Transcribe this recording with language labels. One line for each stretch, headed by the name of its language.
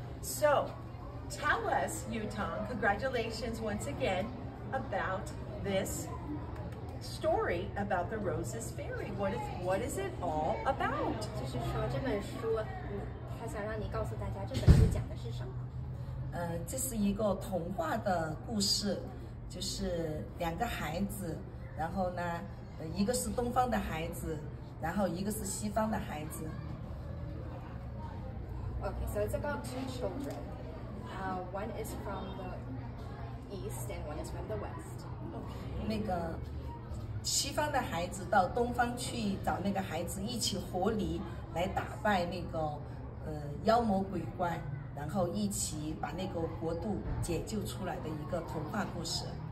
English: So tell us, Yu Tong, congratulations once again about this story about the Roses Fairy. What is it all about?
Chinese: 就是说这本书，他想让你告诉大家这本书讲的是什么。这是一个童话的故事，就是两个孩子，然后呢，一个是东方的孩子，然后一个是西方的孩子。
English: Okay, so it's about two children. One is from the east and one is from the west. Okay.
Chinese: 那个西方的孩子到东方去找那个孩子一起活泥来打败那个妖魔鬼怪，然后一起把那个国度解救出来的一个童话故事。